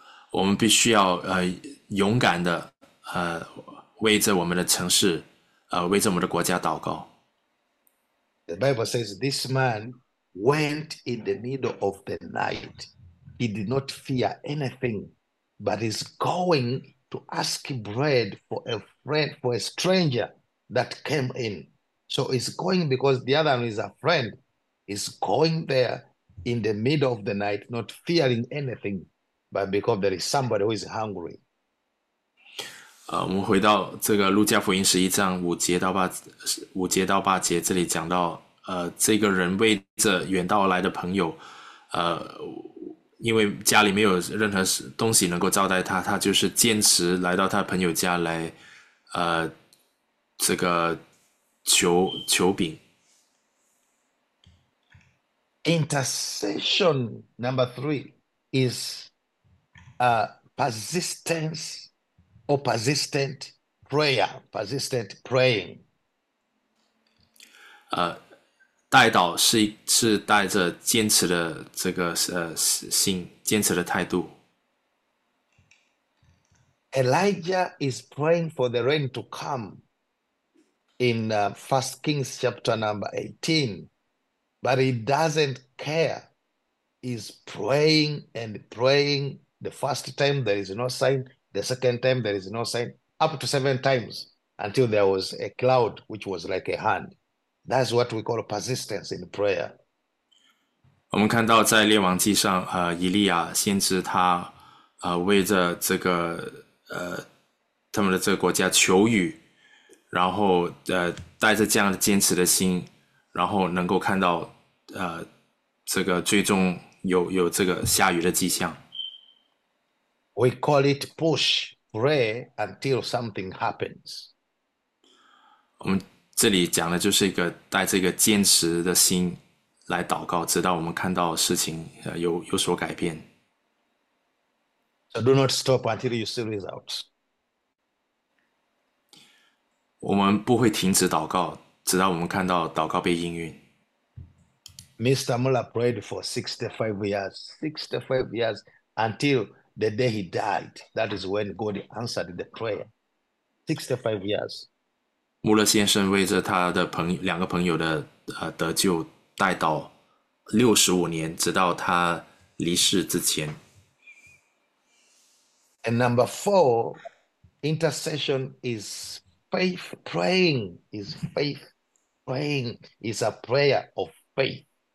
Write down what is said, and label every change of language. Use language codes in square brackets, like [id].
[zh] 我们必须要勇敢的为着我们的城市为着我们的国家祷告。 [en] The Bible says this man went in the middle of the night. He did not fear anything, but is going to ask bread for a friend, for a stranger. That came in. So he's going because the other one is a friend. He's going there in the middle of the night, not fearing anything, but because there is somebody who is hungry. [zh] 我们回到这个路加福音11章5节到8节，这里讲到，这个人为着远道而来的朋友，因为家里没有任何东西能够招待他，他就是坚持来到他朋友家来，这个求饼。 [en] Intercession number three is persistence or persistent prayer, persistent praying. [zh] 代祷是带着坚持的这个心，坚持的态度。 [en] Elijah is praying for the rain to come in 1 Kings chapter number 18. But he doesn't care. He's praying and praying. The first time there is no sign. The second time there is no sign. Up to seven times until there was a cloud which was like a hand. That's what we call persistence in prayer. [zh] 我们看到，在列王记上，以利亚先知他，为着这个他们的这个国家求雨，然后带着这样坚持的心，然后能够看到这个最终有这个下雨的迹象。 [en] We call it push, pray until something happens. [zh] 我们这里讲的就是一个带这个坚持的心来祷告，直到我们看到事情有所改变。 [en] So do not stop until you see results. [zh] 我们不会停止祷告，直到我们看到祷告被应允。 [en] Mr. Muller prayed for 65 years, 65 years until the day he died. That is when God answered the prayer. 65 years. [zh] 穆勒先生为着他的朋友两个朋友的得救带祷65年，直到他离世之前。 [en] And number four, intercession is faith. Praying is faith. Praying is a prayer of faith.